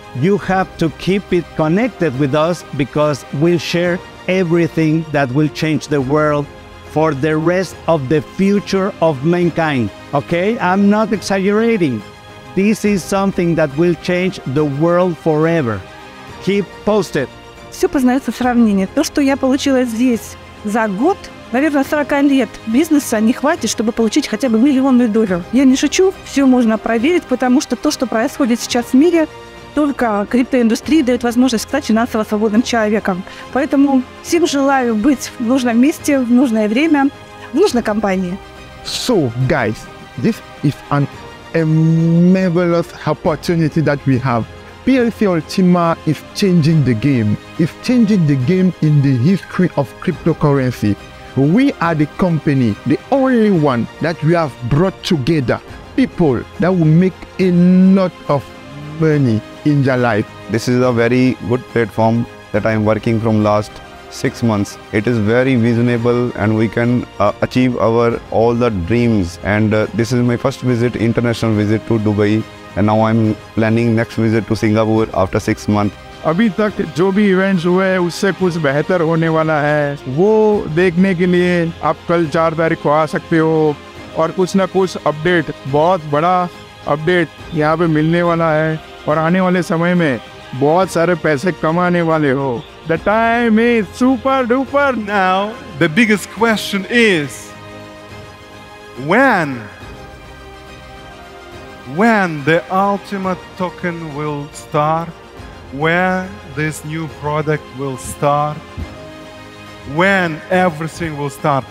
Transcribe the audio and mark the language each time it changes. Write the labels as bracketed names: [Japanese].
[English] You have to keep it connected with us because we'll share everything that will change the world for the rest of the future of mankind, okay? I'm not exaggerating. This is something that will change the world forever. Keep posted. [Russian] Все познается в сравнении. То, что я получила здесь за год, наверное, 40 лет бизнеса не хватит, чтобы получить хотя бы миллионную долю. Я не шучу, все можно проверить, потому что то, что происходит сейчас в мире, только криптоиндустрия дает возможность стать финансово свободным человеком. Поэтому всем желаю быть в нужном месте, в нужное время, в нужной компании. [English] So, guys, this is an a marvelous opportunity that we have. PLC Ultima is changing the game. It's changing the game in the history of cryptocurrency. We are the company, the only one that we have brought together people that will make a lot of money in their life. This is a very good platform that I am working from last 6 months. It is very visionable and we can achieve our all the dreams. And this is my first visit, international visit to Dubai. And now I'm planning next visit to Singapore after 6 months. [Hindi] अभी तक जो भी events हुए हैं उससे कुछ बेहतर होने वाला है वो देखने के लिए आप कल 4 तारीख को आ सकते हो और कुछ ना कुछ अपडेट बहुत बड़ा अपडेट यहाँ पे मिलने वाला है और आने वाले समय में बहुत सारे पैसे कमाने वाले हो. [English] The time is super duper now. The biggest question is, when the Ultima token will start? When this new product will start? When everything will start?